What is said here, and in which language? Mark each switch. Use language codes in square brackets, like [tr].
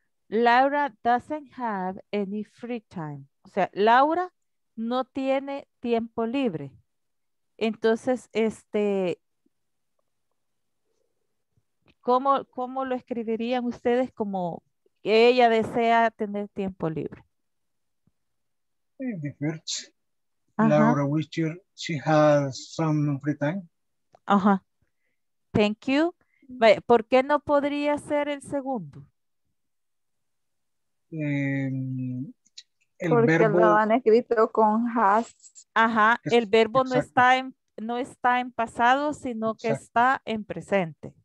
[en] Laura doesn't have any free time. [es] O sea, Laura no tiene tiempo libre. Entonces, ¿cómo lo escribirían ustedes como ella desea tener tiempo libre? [en] In the first, Laura wishes she has some free time. Ajá. Thank you. [es] Vaya, ¿por qué no podría ser el segundo? El porque verbo... lo han escrito con has. Ajá, el verbo no está en pasado, sino que está en presente.